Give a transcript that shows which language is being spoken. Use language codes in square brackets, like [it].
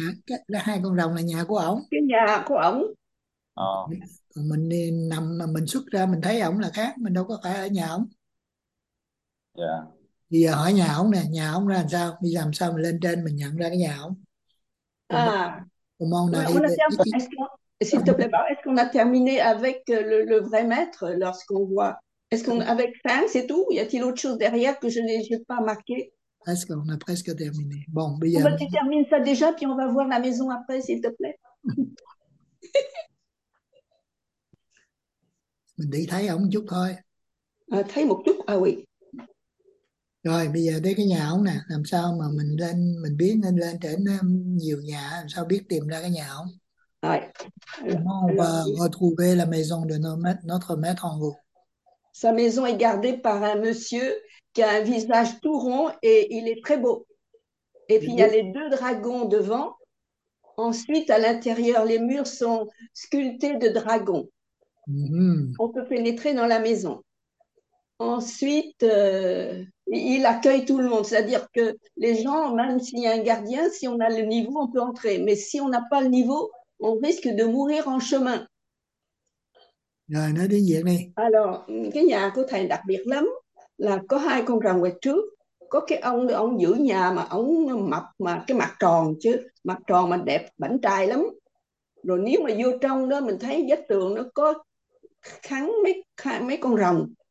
[vi] nhà, cái đó, hai con rồng là nhà của ổng. cái nhà của ổng. Mình đi nằm mà mình xuất ra mình thấy ổng là khác, mình đâu có phải ở nhà ổng. Bây giờ hỏi nhà ổng nè, nhà ổng ra làm sao, đi làm sao mà lên trên mình nhận ra cái nhà ổng. Còn À, [fr] mon on a arrive ici. s'il te plaît, bảo, est-ce qu'on a terminé avec le vrai maître lorsqu'on voit? Est-ce qu'on avec fin, c'est tout? Y a-t-il autre chose derrière que je n'ai pas marqué? Est-ce qu'on a presque terminé? Bon, [vi] bây [fr] Bon, giờ ben, tu termines ça déjà, puis on va voir la maison après, s'il te plaît. [vi] đi thấy ông chút thôi. Thấy một chút, [fr] à oui. [vi] Rồi bây giờ tới cái nhà ông nè, làm sao mà mình lên mình biết nên lên trên nhiều nhà, làm sao biết tìm ra cái nhà ông? [fr] Alors, Comment on va retrouver la maison de notre maître en haut? sa maison est gardée par un monsieur qui a un visage tout rond et il est très beau. Et puis il y a les deux dragons devant. Ensuite, à l'intérieur, les murs sont sculptés de dragons. On peut pénétrer dans la maison. Ensuite, il accueille tout le monde. C'est-à-dire que les gens, même s'il y a un gardien, si on a le niveau, on peut entrer. Mais si on n'a pas le niveau, on risque de mourir en chemin. [vi] Rồi nói đi việc đi. [fr] Alors, [vi] cái nhà của thầy đặc biệt lắm, là có hai con rồng quẹt trước. Có cái ông giữ nhà mà ông mập, mà cái mặt tròn chứ, mặt tròn mà đẹp bảnh trai lắm. Rồi nếu mà vô trong đó mình thấy vách tường nó có khắn mấy con rồng